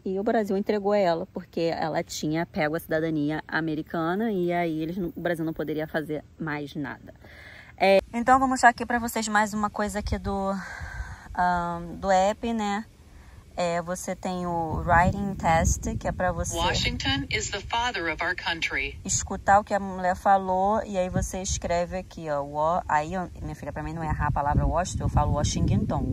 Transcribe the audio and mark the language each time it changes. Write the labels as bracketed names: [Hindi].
[Portuguese] E o Brasil entregou ela, porque ela tinha pego a cidadania americana e aí o Brasil não poderia fazer mais nada. Então, vou mostrar aqui para vocês mais uma coisa aqui do app, né? Você tem o writing test, que é para você [English] Washington is the father of our country. [Portuguese] Escutar o que a mulher falou e aí você escreve aqui, ó. Aí, minha filha, para mim não errar a palavra Washington, eu falo Washington.